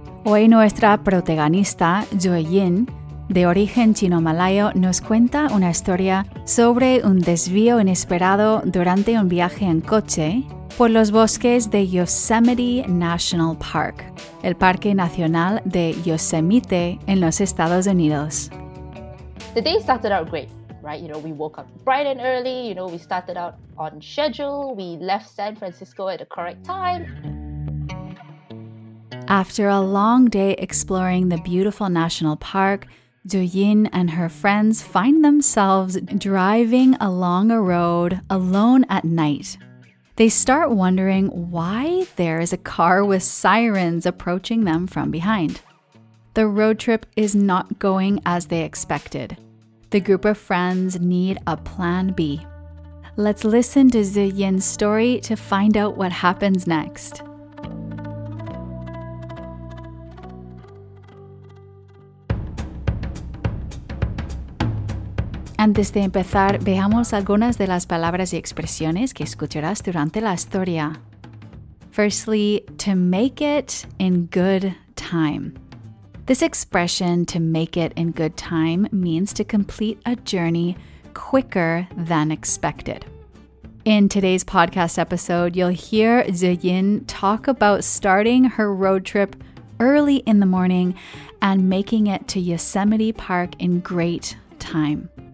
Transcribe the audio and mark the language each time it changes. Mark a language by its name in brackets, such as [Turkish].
[Spanish] Hoy nuestra protagonista, Joy Yin, de origen chino-malayo, nos cuenta una historia sobre un desvío inesperado durante un viaje en coche por los bosques de Yosemite National Park, el Parque Nacional de Yosemite en los Estados Unidos. [English] The day started out great, right? You know, we woke up bright and early, you know, we started out on schedule, we left San Francisco at the correct time. After a long day exploring the beautiful national park, Joyin and her friends find themselves driving along a road alone at night. They start wondering why there is a car with sirens approaching them from behind. The road trip is not going as they expected. The group of friends need a plan B. Let's listen to Joyin's story to find out what happens next. [Spanish] Antes de empezar, veamos algunas de las palabras y expresiones que escucharás durante la historia. [English] Firstly, to make it in good time. This expression, to make it in good time, means to complete a journey quicker than expected. In today's podcast episode, you'll hear Zuyin talk about starting her road trip early in the morning and making it to Yosemite Park in great time.